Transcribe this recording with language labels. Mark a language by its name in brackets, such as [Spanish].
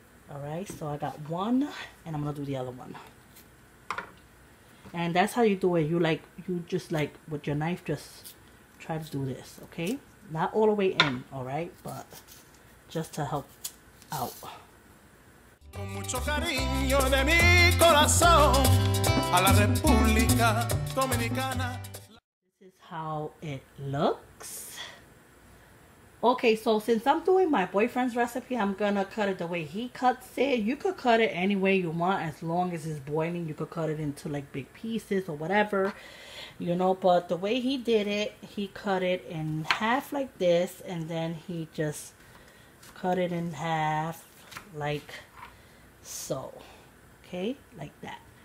[English] All right, so I got one and I'm gonna do the other one, and that's how you do it. You just with your knife, just try to do this. Okay, not all the way in, all right, but just to help out. [Spanish] Con mucho cariño de mi corazón a la República Dominicana. [English] This is how it looks. Okay, so since I'm doing my boyfriend's recipe, I'm gonna cut it the way he cuts it. You could cut it any way you want, as long as it's boiling. You could cut it into like big pieces or whatever, you know. But the way he did it, he cut it in half like this, and then he just cut it in half like so. Okay, like that.